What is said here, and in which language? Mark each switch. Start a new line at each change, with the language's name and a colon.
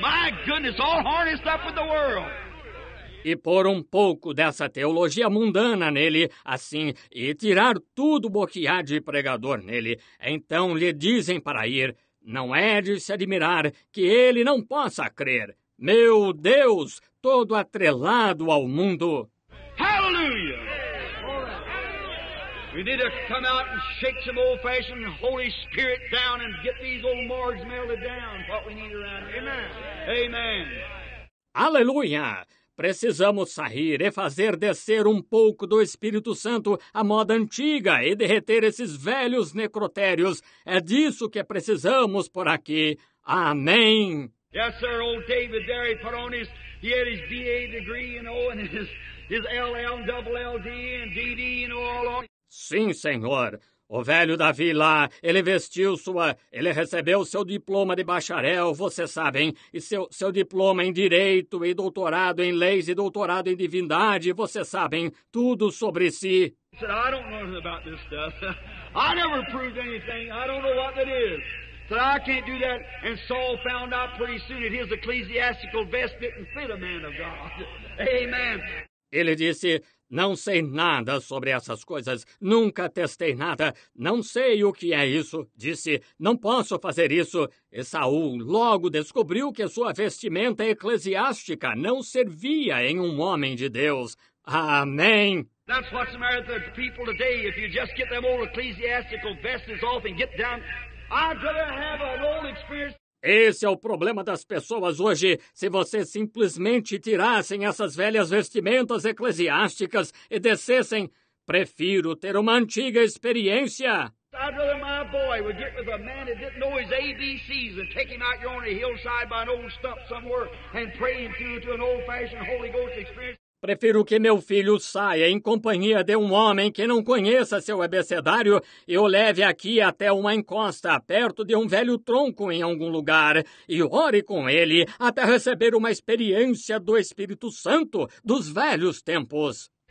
English: My goodness, all harnessed up with the world.
Portuguese: E pôr um pouco dessa teologia mundana nele, assim, e tirar tudo o que há de pregador nele. Então lhe dizem para ir, não é de se admirar que ele não possa crer. Meu Deus, todo atrelado ao mundo. Aleluia!
English: We need to come out and shake some old-fashioned Holy Spirit down and get these old morgues melted down, what we need around here. Amen! Amen!
Portuguese: Aleluia! Precisamos sair e fazer descer um pouco do Espírito Santo à moda antiga e derreter esses velhos necrotérios. É disso que precisamos por aqui. Amém.
English: Yes, sir. Old David there, he put on his, he had his BA degree, you know, and his LL, double LD, and DD, you know, all on.
Portuguese: Sim, senhor. O velho Davi lá, ele vestiu sua... Ele recebeu seu diploma de bacharel, vocês sabem. E seu diploma em direito e doutorado em leis e doutorado em divindade, vocês sabem. Tudo sobre si. Ele disse,
English: I don't know about this stuff. I never proved anything. I don't know what that is. He said, I can't do that. And Saul found out pretty soon that his ecclesiastical vest didn't fit a man of God. Amen.
Portuguese: Ele disse... Não sei nada sobre essas coisas. Nunca testei nada. Não sei o que é isso. Disse, não posso fazer isso. E Saul logo descobriu que sua vestimenta eclesiástica não servia em um homem de Deus. Amém.
English: That's what's the matter with the people today. If you just get them old ecclesiastical vests off and get down, I'd rather have an old experience.
Portuguese: Esse é o problema das pessoas hoje. Se vocês simplesmente tirassem essas velhas vestimentas eclesiásticas e descessem, prefiro ter uma antiga experiência.
English: I'd rather my boy would get with a man that didn't know his ABCs and take him out here on a hillside by an old stump somewhere and pray him through to an old-fashioned Holy Ghost experience.
Portuguese: Prefiro que meu filho saia em companhia de um homem que não conheça seu abecedário e o leve aqui até uma encosta, perto de um velho tronco em algum lugar, e ore com ele até receber uma experiência do Espírito Santo dos velhos tempos.